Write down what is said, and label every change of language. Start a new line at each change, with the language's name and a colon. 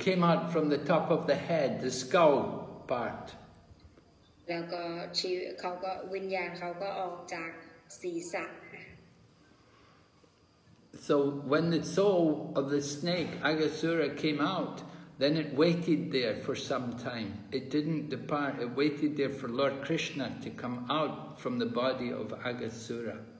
English: came out from the top of the head, the skull part.
Thai: แล้วก็ชีวิตเขาก็วิญญาณเขาก็ออกจากศีรษะ
English: So when the soul of the snake Aghāsura came out then it waited there for some time it didn't depart it waited there for Lord Krishna to come out from the body of Aghāsura